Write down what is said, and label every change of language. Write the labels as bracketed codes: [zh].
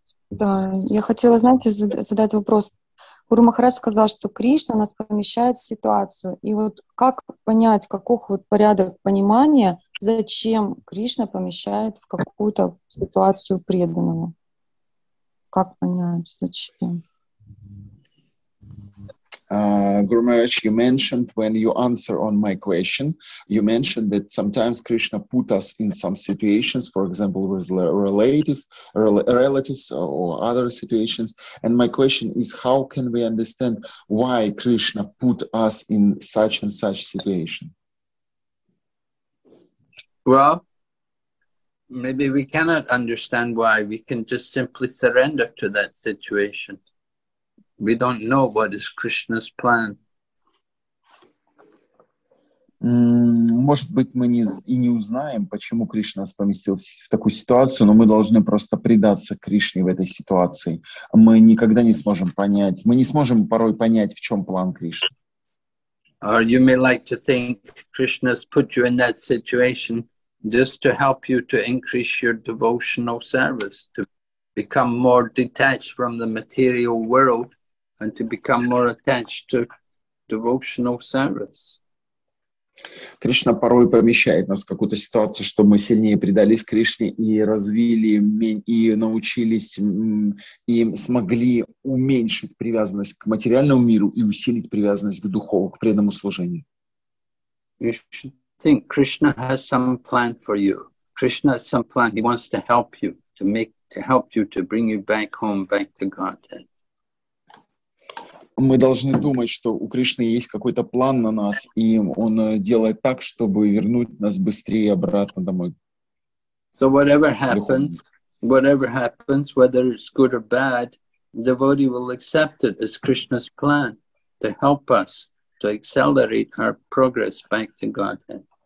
[ru] Да, я хотела, знаете, задать вопрос. Гуру Махарадж сказал, что Кришна нас помещает в ситуацию. И вот как понять, каков вот порядок понимания, зачем Кришна помещает в какую-то ситуацию преданного? Как понять, зачем? [en] Guru Maharaj, you mentioned when you answer on my question, you mentioned that sometimes Krishna put us in some situations, for example, with relatives or other situations. And my question is, how can we understand why Krishna put us in such and such situation? Well, maybe we cannot understand why. We can just simply surrender to that situation. We don't know what is Krishna's plan. [ru] Может быть, мы и не узнаем, почему Кришна нас поместил в такую ситуацию, но мы должны просто предаться Кришне в этой ситуации. Мы никогда не сможем понять, мы не сможем порой понять, в чем план Кришны. [en] Or you may like to think Krishna's put you in that situation just to help you to increase your devotional service, to become more detached from the material world, and to become more attached to devotional service. [ru] Кришна порой помещает нас в какую-то ситуацию, чтобы мы сильнее предались Кришне и развили, и научились, и смогли уменьшить привязанность к материальному миру и усилить привязанность к духовному, к преданному служению. [en] You should think Krishna has some plan for you. Krishna has some plan. He wants to help you, to help you, to bring you back home, back to Godhead. [ru] Мы должны думать, что у Кришны есть какой-то план на нас, и он делает так, чтобы вернуть нас быстрее обратно домой. [en] So whatever happens, whether it's good or bad, devotee will accept it as Krishna's plan to help us to accelerate our progress back to Godhead.